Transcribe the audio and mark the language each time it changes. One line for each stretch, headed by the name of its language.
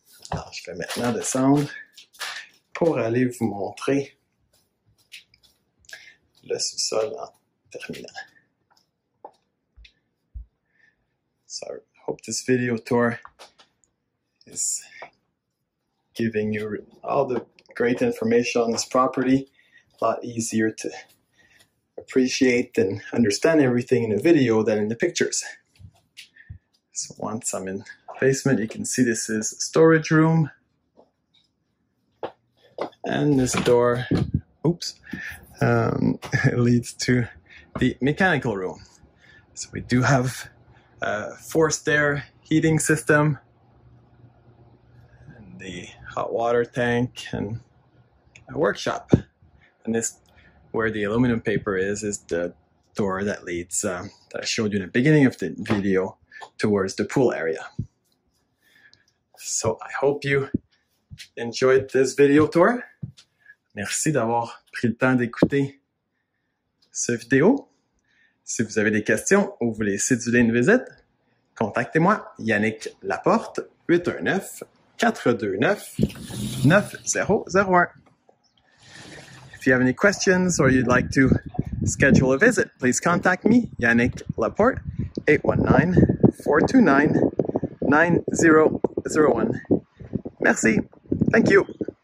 French: Alors, je vais maintenant descendre pour aller vous montrer le sous-sol en terminant.
English: So I hope this video tour is giving you all the great information on this property. A lot easier to appreciate and understand everything in a video than in the pictures. So once I'm in the basement, you can see this is a storage room. And this door, leads to the mechanical room. So we do have forced air heating system and the hot water tank and a workshop. And this, where the aluminum paper is the door that leads, that I showed you in the beginning of the video, towards the pool area. So I hope you enjoyed this video tour.
French: Merci d'avoir pris le temps d'écouter cette vidéo. Si vous avez des questions ou vous voulez céduler une visite, contactez-moi, Yannick Laporte, 819-429-9001.
English: If you have any questions or you'd like to schedule a visit, please contact me, Yannick Laporte, 819-429-9001. Merci. Thank you.